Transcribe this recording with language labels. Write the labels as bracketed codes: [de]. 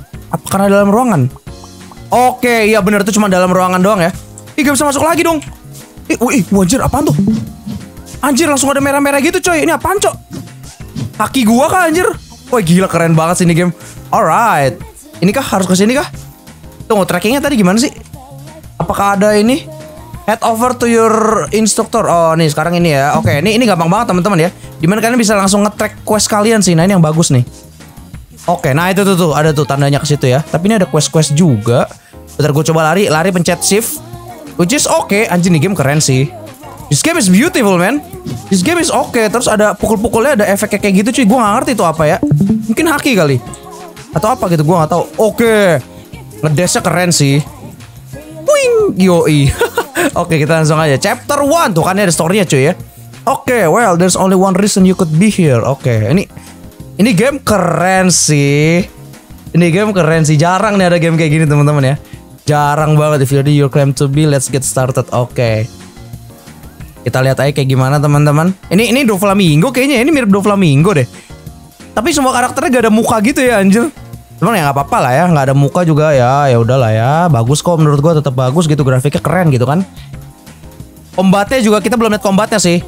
[id] Apa karena dalam ruangan? Oke, okay, iya benar, itu cuma dalam ruangan doang ya. Ih, gak bisa masuk lagi dong. Anjir, apaan tuh? Anjir, langsung ada merah-merah gitu, coy. Ini apaan, coy? Kaki gua kah, anjir? Woi, gila, keren banget sih ini game. Alright. Ini kah harus ke sini kah? Tunggu, trackingnya tadi gimana sih? Apakah ada ini? [en] Head over to your instructor. [id] Oh, nih sekarang ini ya. Oke, okay, ini gampang banget teman-teman ya. Gimana kalian bisa langsung nge-track quest kalian sih? Nah, ini yang bagus nih. Oke, okay, nah itu tuh ada tuh tandanya ke situ ya. Tapi ini ada quest-quest juga. Bentar, gue coba lari pencet shift. [en] Which is okay. [id] Anjir, nih game keren sih. [en] This game is beautiful, man. This game is okay. [id] Terus ada pukul-pukulnya, ada efek kayak gitu cuy. Gue gak ngerti itu apa ya. Mungkin haki kali. Atau apa gitu, gue gak tahu. Oke, ngedesnya keren sih. Puing, yoi. Oke, kita langsung aja. Chapter 1, tuh kan ada story-nya cuy ya. [en] Oke, well, there's only one reason you could be here. [id] Oke, ini game keren sih. Ini game keren sih. Jarang nih ada game kayak gini teman-teman ya. Jarang banget. [en] If you're your claim to be, let's get started. [id] Oke. Kita lihat aja kayak gimana teman-teman. Ini Doflamingo kayaknya. Ini mirip Doflamingo deh. Tapi semua karakternya gak ada muka gitu ya anjir. Cuman ya gak apa-apa lah ya, gak ada muka juga ya, ya udahlah ya. Bagus kok menurut gua, tetap bagus gitu, grafiknya keren gitu kan. Kombatnya juga kita belum lihat kombatnya sih.